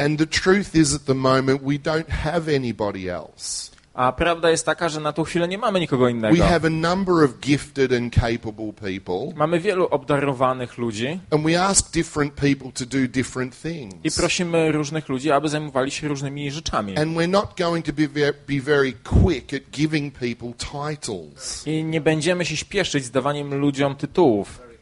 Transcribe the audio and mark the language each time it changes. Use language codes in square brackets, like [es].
[en] And the truth is at the moment we don't have anybody else. [pl] A prawda jest taka, że na tą chwilę nie mamy nikogo innego. [en] We have a number of gifted and capable people. [pl] Mamy wielu obdarowanych ludzi. [en] And we ask different people to do different things. [pl] I prosimy różnych ludzi, aby zajmowali się różnymi rzeczami. [en] And we're not going to be very quick at giving people titles. [pl] I nie będziemy się śpieszyć z dawaniem ludziom tytułów.